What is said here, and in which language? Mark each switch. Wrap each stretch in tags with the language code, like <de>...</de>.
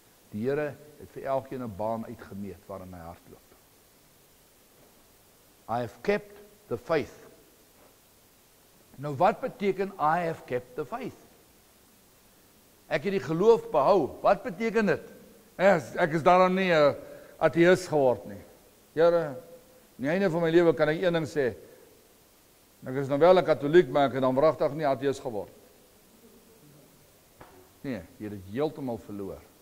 <af>Die Here het vir elkeen 'n baan uitgemeet waarin hy hardloop.</af> <en>I have kept the faith.</en> <af>Nou wat beteken</af> <en>I have kept the faith?</en> <af>Ek het die geloof behou. Wat beteken dit? Ek is daarom nie 'n ateïs geword nie. Here, aan die einde van my lewe kan ek een ding sê. Ek is nou wel 'n katoliek, maar ek het dan wragtig nie ateïs geword. Nee, jy het heeltemal verloor.</af>